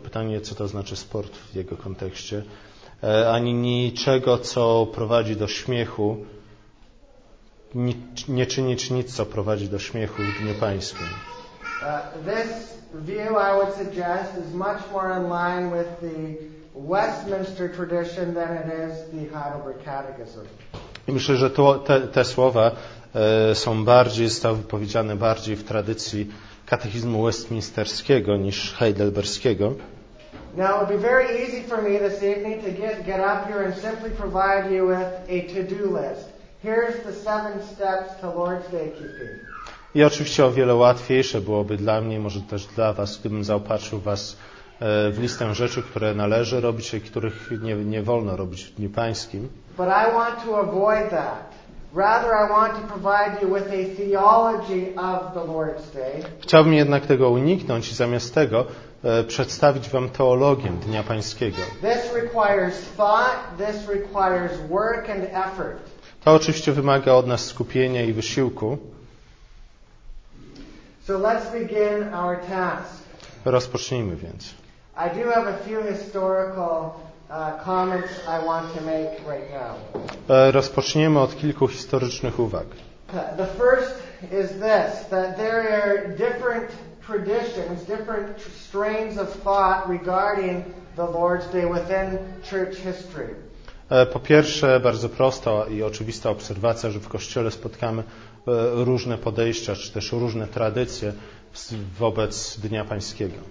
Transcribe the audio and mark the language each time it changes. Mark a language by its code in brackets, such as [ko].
[pl] Pytanie, co to znaczy sport w jego kontekście. Ani niczego, co prowadzi do śmiechu. Nie czynić nic, co prowadzi do śmiechu w Dniu Pańskim. [en] This view I would suggest is much more in line with the Westminster tradition than it is the Heidelberg Catechism. [pl] I myślę, że te słowa są bardziej, zostały powiedziane bardziej w tradycji katechizmu westminsterskiego niż heidelberskiego. [en] Now it would be very easy for me this evening to get up here and simply provide you with a to-do list. Here's the seven steps to Lord's Day keeping. [pl] I oczywiście o wiele łatwiejsze byłoby dla mnie, może też dla was, gdybym zaopatrzył was w listę rzeczy, które należy robić i których nie wolno robić w Dniu Pańskim. [en] But I want to avoid that. Rather, I want to provide you with a theology of the Lord's Day. [pl] Chciałbym jednak tego uniknąć i zamiast tego przedstawić wam teologię Dnia Pańskiego. [en] This requires thought, this requires work and effort. [pl] To oczywiście wymaga od nas skupienia i wysiłku. [en] So let's begin our task. [pl] Rozpocznijmy więc. [en] I do have a few historical comments I want to make right now. [pl] Rozpoczniemy od kilku historycznych uwag. [en] The first is this, that there are different traditions, different strains of thought regarding the Lord's Day within church history. [pl] Po pierwsze, bardzo prosta i oczywista obserwacja, że w Kościele spotkamy różne podejścia, czy też różne tradycje wobec Dnia Pańskiego.